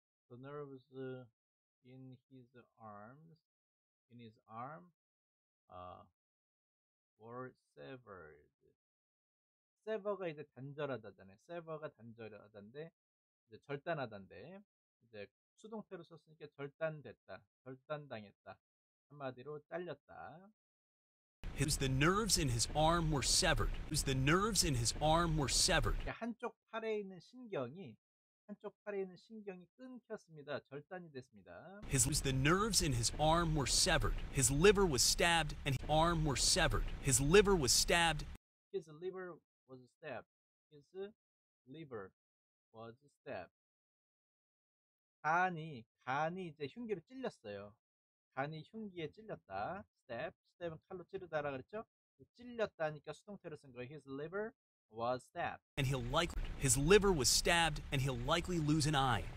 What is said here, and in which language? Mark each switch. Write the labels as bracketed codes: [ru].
[en] The nerves in his arms, in his arm, were severed. [ko] Sever가 이제 단절하다잖아요. Sever가 단절하다인데, 이제 절단하다인데, 이제 수동태로 썼으니까 절단됐다, 절단당했다. 한마디로 잘렸다. [en] Was the nerves in his arm were severed. Was the nerves in his arm were severed. [ko] 한쪽 팔에 있는 신경이 한쪽 팔에 있는 신경이 끊겼습니다. 절단이 됐습니다. [en] The nerves in his arm were severed. His liver was stabbed and his arm were severed. His liver was stabbed. His liver was stabbed. His liver was stabbed. [ko] 간이 이제 흉기로 찔렸어요. 간이 흉기에 찔렸다. Stab은 칼로 찌르다라 그랬죠? 찔렸다니까 수동태로 쓴 거예요. [en] His liver was stabbed. And he'll likely his liver was stabbed and he'll likely lose an eye.